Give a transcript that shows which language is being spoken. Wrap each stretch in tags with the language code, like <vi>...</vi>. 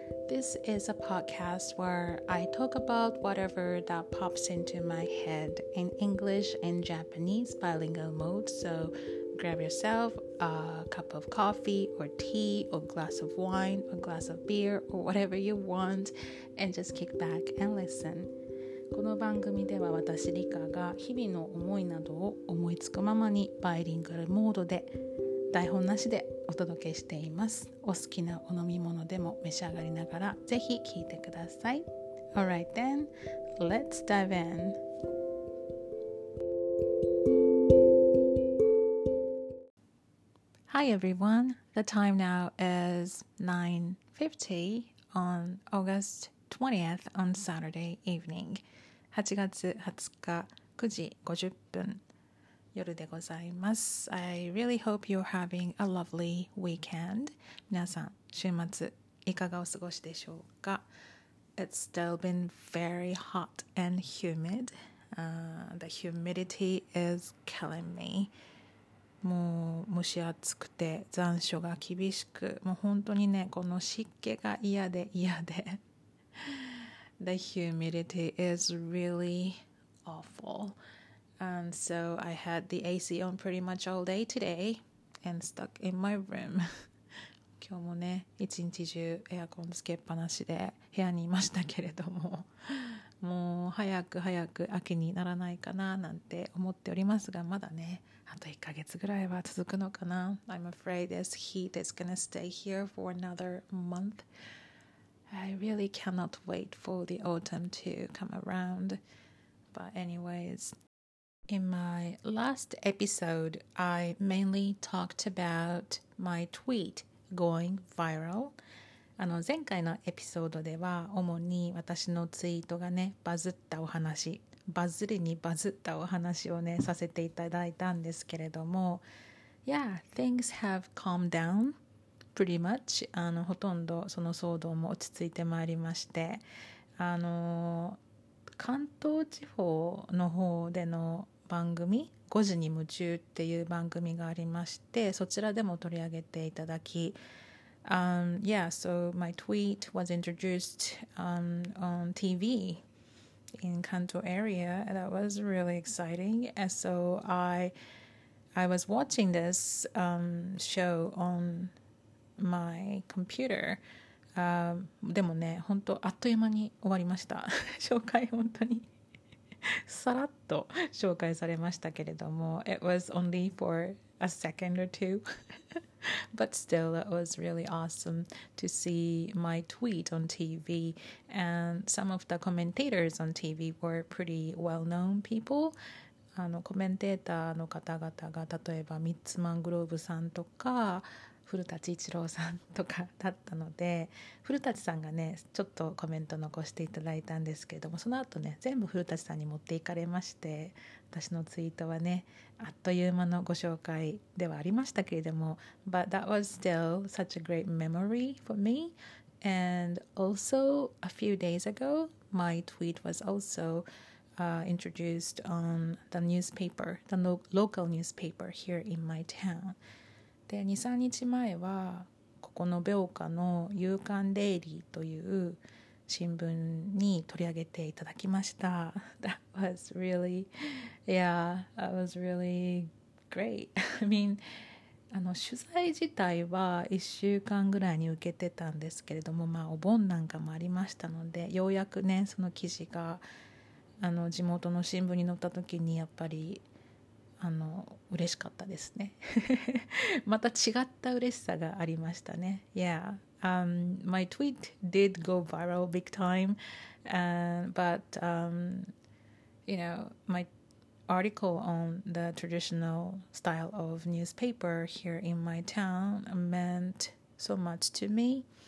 <en>This is a podcast where I talk about whatever that pops into my head in English and Japanese bilingual mode. So grab yourself a cup of coffee or tea or glass of wine or glass of beer or whatever you want and just kick back and listen.</en> <ja>この番組では私リカが日々の思いなどを思いつくままにバイリンガルモードで台本なしでお届けしています。お好きなお飲み物でも召し上がりながらぜひ聞いてください。</ja> <en>Alright then, let's dive in. Hi everyone, the time now is 9:50 on August 20th on Saturday evening.</en> <ja>8月20日9時50分夜でございます。</ja> <en>I really hope you're having a lovely weekend.</en> <ja>皆さん週末いかがお過ごしでしょうか。</ja> <en>It's still been very hot and humid. The humidity is killing me.</en> <ja>もう蒸し暑くて残暑が厳しく、もう本当にねこの湿気が嫌で嫌で。</ja> <en>The humidity is really awful. And so I had the AC on pretty much all day today and stuck in my room.</en> <ja>今日もね、一日中エアコンつけっぱなしで部屋にいましたけれども、もう早く早く秋にならないかななんて思っておりますが、まだね、あと1ヶ月ぐらいは続くのかな。</ja> <en>I'm afraid this heat is gonna stay here for another month. I really cannot wait for the autumn to come around. But anyways, in my last episode, I mainly talked about my tweet going viral.</en> <ja>前回のエピソードでは主に私のツイートがねバズったお話、バズりにバズったお話をねさせていただいたんですけれども、</ja> <en>Yeah, things have calmed down. Pretty much.</en> <ja>ほとんどその騒動も落ち着いてまいりまして、関東地方の方での番組5時に夢中っていう番組がありまして、そちらでも取り上げていただき、</ja> <en>Yeah, so my tweet was introduced on TV in Kanto area. That was really exciting. And so I was watching this show onMy computer.</en> <ja>でもね本当あっという間に終わりました。紹介本当にさらっと紹介されましたけれども、</ja> <en>It was only for a second or two. But still it was really awesome to see my tweet on TV. And some of the commentators on TV were pretty well known people.</en> <ja>コメンテーターの方々が例えばミッツマングローブさんとか古舘一郎さんとかだったので、古舘さんがねちょっとコメント残していただいたんですけれども、その後ね全部古舘さんに持っていかれまして、私のツイートはねあっという間のご紹介ではありましたけれども、</ja> <en>But that was still such a great memory for me. And also a few days ago my tweet was alsointroduced on the newspaper, the local newspaper here in my town.</en> <ja>で 2,3 日前はここの病科の夕刊デイリーという新聞に取り上げていただきました。</ja> <en>That was really yeah, that was really great. I mean</en> <ja>取材自体は1週間ぐらいに受けてたんですけれども、まあお盆なんかもありましたので、ようやくねその記事が地元の新聞に載った時にやっぱり嬉しかったですね。また違った嬉しさがありましたね。</ja> <en>Yeah, my tweet did go viral big time, but you know, my article on the traditional style of newspaper here in my town meant so much to me.</en>